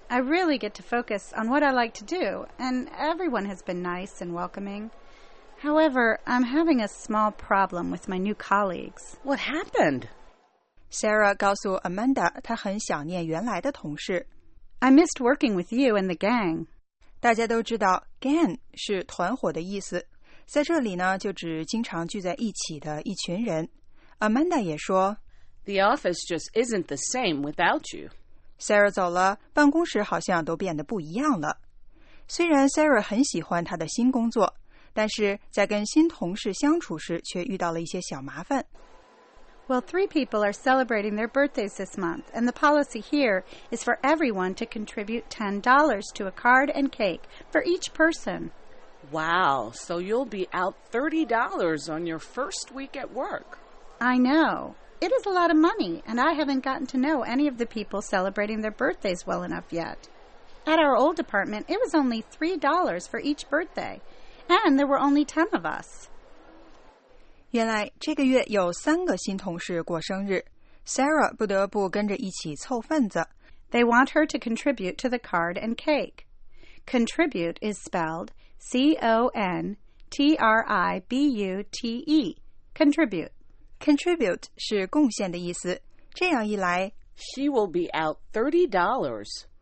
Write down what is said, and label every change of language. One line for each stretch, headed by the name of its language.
English: I really get to focus on what I like to do, and everyone has been nice and welcoming. However, I'm having a small problem with my new colleagues. What happened?
Chinese: Sarah 告诉 Amanda 她很想念原来的同事。
English: I missed working with you and the gang.
Chinese: 大家都知道 gang 是团伙的意思。在这里呢就指经常聚在一起的一群人。 Amanda 也说
English: The office just isn't the same without you.
Chinese: Sarah 走了，办公室好像都变得不一样了。虽然 Sarah 很喜欢她的新工作，但是在跟新同事相处时却遇到了一些小麻烦。
English: Well, three people are celebrating their birthdays this month, and the policy here is for everyone to contribute $10 to a card and cake for each person. Wow, so you'll be out $30 on your first week at work. I know. It is a lot of money, and I haven't gotten to know any of the people celebrating their birthdays well enough yet. At our old department, it was only $3 for each birthday, and there were only 10 of us.
Chinese: 原来这个月有三个新同事过生日 ,Sarah 不得不跟着一起凑份子。
English: They want her to contribute to the card and cake. Contribute is spelled C-O-N-T-R-I-B-U-T-E. T-R-I-B-U-T-E, contribute.
Chinese: Contribute 是贡献的意思。这样一来
English: She will be out $30.